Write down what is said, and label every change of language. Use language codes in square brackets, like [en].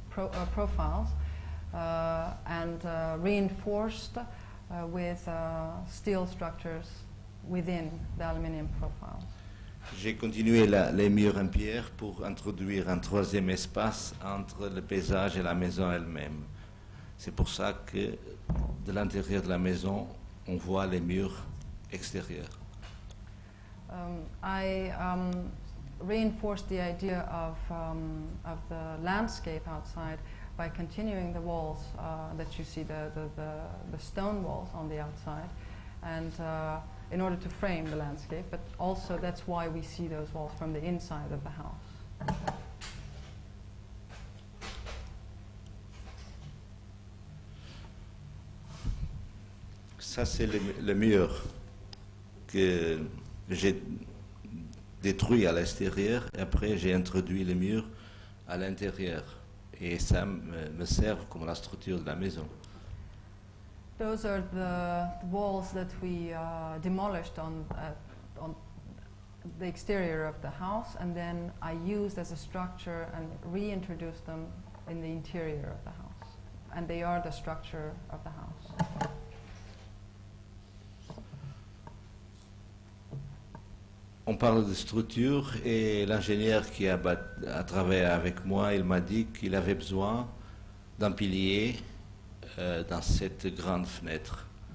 [en] Profiles, and reinforced with steel structures within the aluminium profiles. [fr] J'ai continué les murs en pierre pour introduire un troisième espace entre le paysage et la maison elle-même. C'est pour ça que de l'intérieur de la maison, on voit les murs extérieurs. [en] I reinforced the idea of the landscape outside by continuing the walls that you see, the stone walls on the outside, and in order to frame the landscape, but also that's why we see those walls from the inside of the house. [fr] Ça, c'est le mur que j'ai détruit à l'extérieur, et après j'ai introduit le mur à l'intérieur. Et ça me sert comme la structure de la maison. [en] Those are the walls that we demolished on the exterior of the house, and then I used as a structure and reintroduced them in the interior of the house. And they are the structure of the house. [fr] On parle de structure et l'ingénieur qui a travaillé avec moi, il m'a dit qu'il avait besoin d'un pilier dans cette grande fenêtre.